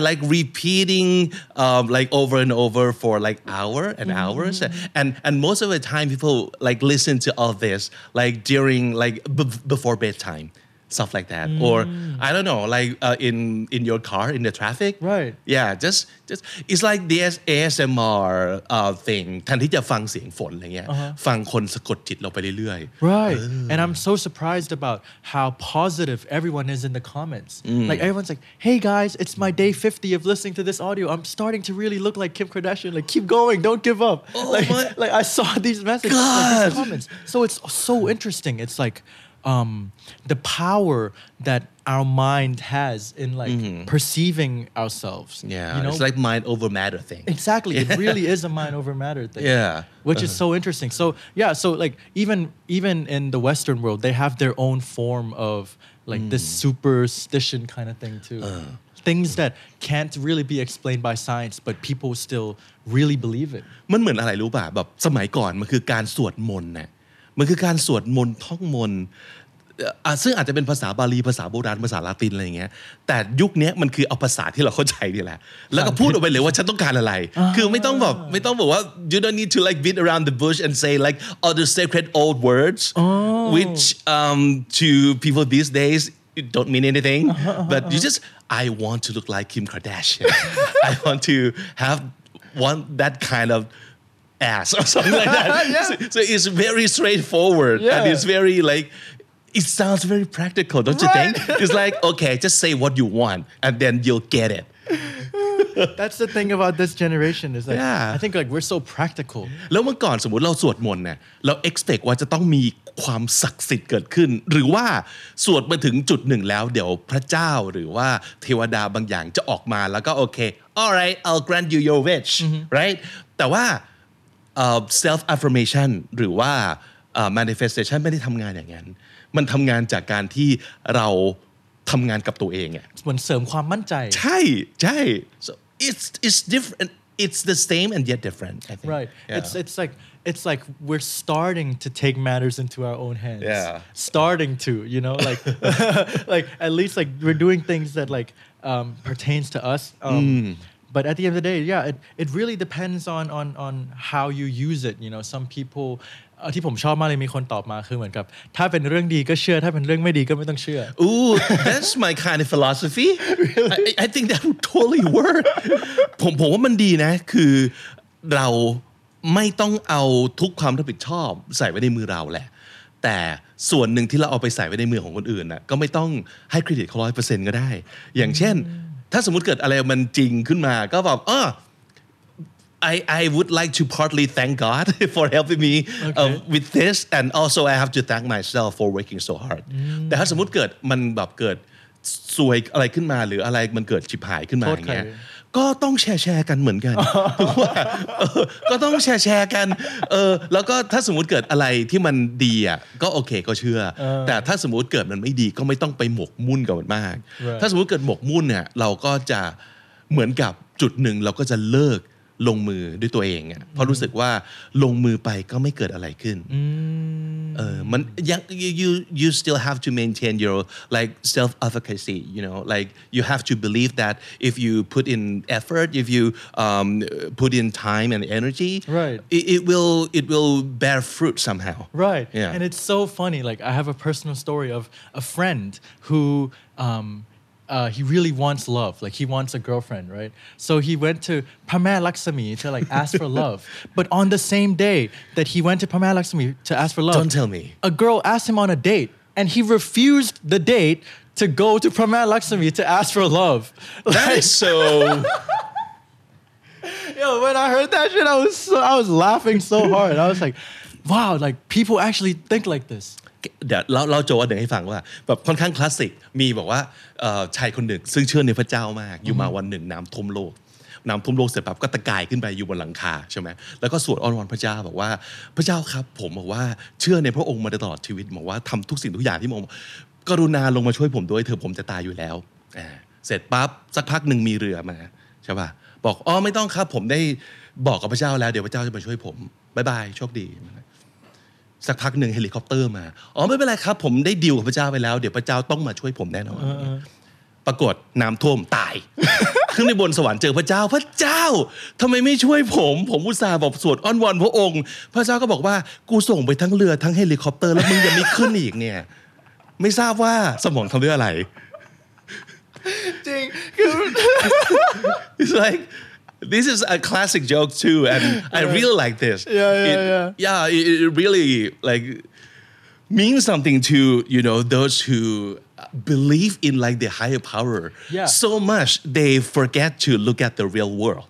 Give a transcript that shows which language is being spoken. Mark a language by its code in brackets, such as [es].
[en] Like repeating like over and over for like hour and hours. And most of the time people like listen to all this like during like before bedtime. Stuff like that, or I don't know, like in your car in the traffic, right? Yeah, just it's like the ASMR thing. [th] แทนที่จะฟังเสียงฝนอะไรเงี้ยฟังคนสะกดจิตเราไปเรื่อย [en] ๆ right? And I'm so surprised about how positive everyone is in the comments. Like everyone's like, "Hey guys, it's my day 50 of listening to this audio. I'm starting to really look like Kim Kardashian. Like keep going, don't give up." Like I saw these messages in the comments, so it's so interesting. It's like. The power that our mind has in like perceiving ourselves. Yeah, you know? It's like mind over matter thing. Exactly, it really is a mind over matter thing. Yeah. Which is so interesting. So yeah, so like even in the Western world, they have their own form of like this superstition kind of thing too. Things that can't really be explained by science, but people still really believe it. [th] มันเหมือนอะไรรู้ป่ะแบบสมัยก่อนมันคือการสวดมนต์นะมันคือการสวดมนต์ท่องมนต์ ซึ่งอาจจะเป็นภาษาบาลีภาษาโบราณภาษาลาตินอะไรอย่างเงี้ยแต่ยุคนี้มันคือเอาภาษาที่เราเข้าใจนี่แหละแล้วก็พูดออกไปเลยว่าฉันต้องการอะไรคือไม่ต้องบอกว่า [en] you don't need to like beat around the bush and say like all the sacred old words which to people these days don't mean anything but you just I want to look like Kim Kardashian I want to have one that kind ofass or something like that. Yeah. So it's very straightforward and it's very like, it sounds very practical, don't you think? It's like, okay, just say what you want and then you'll get it. That's the thing about this generation is that I think like we're so practical. [th] แล้วเมื่อก่อนสมมติเราสวดมนต์เนี่ยเรา expect ว่าจะต้องมีความศักดิ์สิทธิ์เกิดขึ้นหรือว่าสวดมาถึงจุดหนึ่งแล้วเดี๋ยวพระเจ้าหรือว่าเทวดาบางอย่างจะออกมาแล้วก็โอเค [en] alright I'll grant you your wish right [th] แต่ว่าself affirmation หรือว่า manifestation ไม่ได้ทำงานอย่างนั้นมันทำงานจากการที่เราทำงานกับตัวเองอ่ะ เหมือนเสริมความมั่นใจ ใช่ใช่ [en] so it's different it's the same and yet different I think right yeah. it's like we're starting to take matters into our own hands yeah starting to you know like like at least like we're doing things that like pertains to us but at the end of the day yeah it really depends on how you use it you know some people [th] ที่ผมชอบมากเลยมีคนตอบมาคือเหมือนกับถ้าเป็นเรื่องดีก็เชื่อถ้าเป็นเรื่องไม่ดีก็ไม่ต้องเชื่อ [en] Ooh that's my kind of philosophy really? I think that would totally work [th] ผมว่ามันดีนะคือเราไม่ต้องเอาทุกความรับผิดชอบใส่ไว้ในมือเราแหละแต่ส่วนหนึ่งที่เราเอาไปใส่ไว้ในมือของคนอื่นน่ะก็ไม่ต้องให้เครดิตเขา 100% ก็ได้อย่างเช่นถ้าสมมติเกิดอะไรมันจริงขึ้นมาก็แบบ [en] I would like to partly thank God for helping me okay. With this and also I have to thank myself for working so hard mm. [th] แต่ถ้าสมมุติเกิดมันแบบเกิดซวยอะไรขึ้นมาหรืออะไรมันเกิดฉิบหายขึ้นมาอย่างเงี้ยก็ต้องแชร์กันเหมือนกันว่าก็ต้องแชร์กันแล้วก็ถ้าสมมุติเกิดอะไรที่มันดีอ่ะก็โอเคก็เชื่ อ แต่ถ้าสมมุติเกิดมันไม่ดีก็ไม่ต้องไปหมกมุ่นกับมันมาก [en] right. [th] ถ้าสมมุติเกิดหมกมุ่นเนี่ยเราก็จะเหมือนกับจุดหนึ่งเราก็จะเลิกลงมือด้วยตัวเองอ่ะเพราะรู้สึกว่าลงมือไปก็ไม่เกิดอะไรขึ้นมันยัง [en] you still have to maintain your like self efficacy you know like you have to believe that if you put in effort if you put in time and energy right it will bear fruit somehow right yeah and it's so funny like I have a personal story of a friend who he really wants love, like he wants a girlfriend, right? So he went to Pramay Lakshmi to like ask for love. But on the same day that he went to Pramay Lakshmi to ask for love, don't tell me a girl asked him on a date, and he refused the date to go to Pramay Lakshmi to ask for love. That like, is so. Yo, when I heard that shit, I was laughing so hard. I was like, wow, like people actually think like this. [th] เดี๋ยวเราโจว่าเดี๋ยวให้ฟังว่าแบบค่อนข้างคลาสสิกมีบอกว่าชายคนหนึ่งซึ่งเชื่อในพระเจ้ามากอยู่มาวันหนึ่งน้ำท่วมโลกน้ำท่วมโลกเสร็จปั๊บก็ตะกายขึ้นไปอยู่บนหลังคาใช่ไหมแล้วก็สวดอ้อนวอนพระเจ้าบอกว่าพระเจ้าครับผมบอกว่าเชื่อในพระองค์มาตลอดชีวิตบอกว่าทำทุกสิ่งทุกอย่างที่มองกรุณาลงมาช่วยผมด้วยเถอะผมจะตายอยู่แล้วเสร็จปั๊บสักพักหนึ่งมีเรือมาใช่ป่ะบอกอ๋อไม่ต้องครับผมได้บอกกับพระเจ้าแล้วเดี๋ยวพระเจ้าจะมาช่วยผมบายบายโชคดี สักพักหนึ่งเฮลิคอปเตอร์มาอ๋อไม่เป็นไรครับผมได้ดีลกับพระเจ้าไปแล้วเดี๋ยวพระเจ้าต้องมาช่วยผมแน่นอนปรากฏน้ำท่วมตายขึ้นไปบนสวรรค์เจอพระเจ้าทำไมไม่ช่วยผมผมอุตส่าห์บอกสวดอ้อนวอนพระองค์พระเจ้าก็บอกว่ากูส่งไปทั้งเรือทั้งเฮลิคอปเตอร์แล้วมึงยังไม่ขึ้นอีกเนี่ยไม่ทราบว่าสมองทำด้วยอะไร จริง [en] it's likeThis is a classic joke too, and I really like this. Yeah, it really like means something to you know those who believe in like the higher power so much they forget to look at the real world.